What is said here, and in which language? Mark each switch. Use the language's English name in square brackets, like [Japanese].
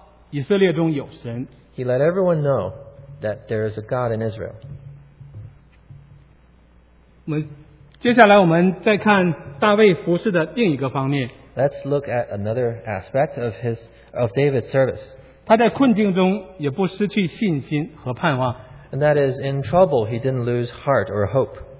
[English] He let everyone know that there is a God in Israel. [Chinese] 接下来我们再看大卫服侍的另一个方面。 [English] Let's look at another aspect of David's service. [Chinese] 他在困境中也不失去信心和盼望。 [English] And that is, in trouble, he didn't lose heart or hope.